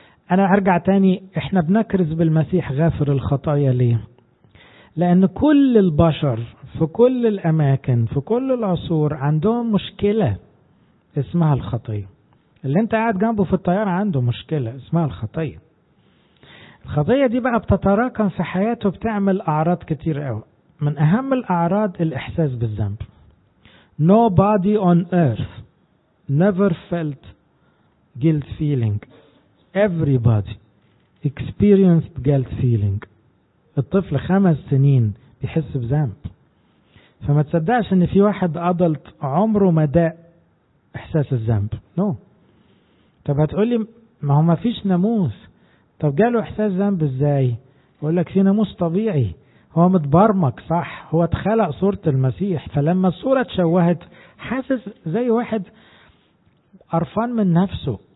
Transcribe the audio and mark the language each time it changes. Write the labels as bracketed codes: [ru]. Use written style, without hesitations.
[ar] أنا أرجع تاني، إحنا بنكرز بالمسيح غافر الخطايا ليه؟ لأن كل البشر في كل الأماكن في كل العصور عندهم مشكلة اسمها الخطية. اللي أنت قاعد جنبه في الطيارة عنده مشكلة اسمها الخطية. الخطية دي بقى بتتراكم في حياته بتعمل أعراض كتير قوي. من أهم الأعراض الإحساس بالذنب. [en] Nobody on earth never felt guilt feeling. Everybody experienced guilt feeling. [ar] الطفل 5 سنين بيحس بذنب. فما تصدقش إن في واحد أضلت عمره مدى إحساس الذنب. [en] No. [ar] طب هتقولي ما هو ما فيش ناموس. طب جاله إحساس ذنب إزاي؟ أقولك في ناموس طبيعي. هو متبرمج صح، هو اتخلق صورة المسيح، فلما الصورة تشوهت حاسس زي واحد قرفان من نفسه.